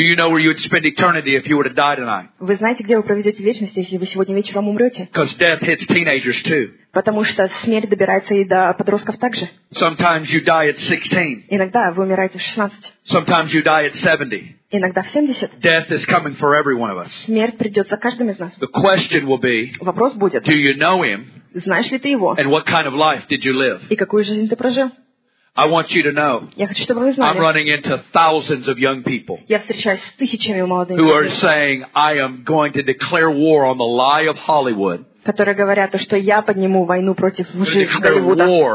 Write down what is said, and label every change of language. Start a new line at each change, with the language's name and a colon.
English: Do you know where you would spend eternity if you were to die tonight?
Russian: Вы знаете, где вы проведете вечность, если вы сегодня вечером умрете?
English: Because death hits teenagers too.
Russian: Потому что смерть добирается и до подростков также.
English: Sometimes you die at 16.
Russian: Иногда вы умираете в 16.
English: Sometimes you die at 70.
Russian: Иногда в 70.
English: Death is coming for every one of us.
Russian: Смерть придет за каждым из нас.
English: The question will be,
Russian: вопрос будет,
English: do you know him?
Russian: Знаешь ли ты его?
English: And what kind of life did you live?
Russian: И какую жизнь ты прожил?
English: I want you to know,
Russian: я хочу, чтобы вы знали,
English: I'm running into thousands of young people,
Russian: я встречаюсь с тысячами молодых людей,
English: who are saying, I am going to declare war on the lie of Hollywood.
Russian: Которые говорят, что я подниму войну против лжи Голливуда.